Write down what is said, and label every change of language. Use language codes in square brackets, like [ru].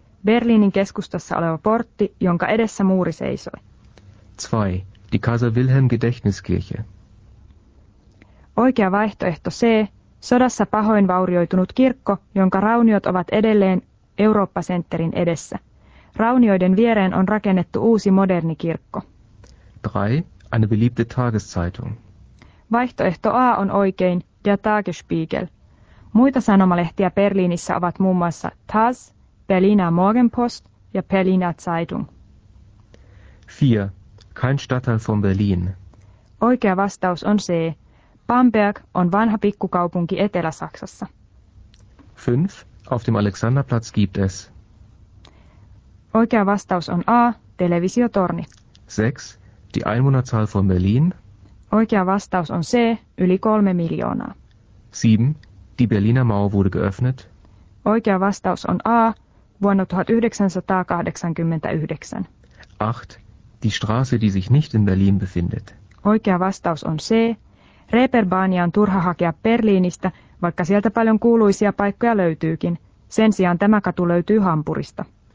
[fi] Berliinin keskustassa oleva portti, jonka edessä muuri seisoi. 2. [de] Die Kaiser-Wilhelm-Gedächtniskirche. [fi] Oikea vaihtoehto C. Sodassa pahoin vaurioitunut kirkko, jonka rauniot ovat edelleen Eurooppa-sentterin edessä. Raunioiden viereen on rakennettu uusi moderni kirkko. 3. [de] Eine beliebte Tageszeitung. [fi] Vaihtoehto A on oikein, Der Tagesspiegel. Muita sanomalehtiä Berliinissä ovat muun muassa TAS, Berliner Morgenpost ja Berliner Zeitung. 4. [de] Kein Stadtteil von Berlin. [fi] Oikea vastaus on C. Bamberg on vanha pikkukaupunki Etelä-Saksassa. 5. [de] Auf dem Alexanderplatz gibt es. [fi] Oikea vastaus on A. Televisiotorni. 6. [de] Die Einwohnerzahl von Berlin. [fi] Oikea vastaus on C. Yli 3 miljoonaa. 7. [de] Die Berliner Mauer wurde geöffnet. [fi] Oikea vastaus on A. Vuonna 1989. 8. [de] Die Straße, die sich nicht in Berlin befindet. [fi] Oikea vastaus on C. Reeperbahnia on turha hakea Berliinistä, vaikka sieltä paljon kuuluisia paikkoja löytyykin. Sen sijaan tämä katu löytyy Hampurista.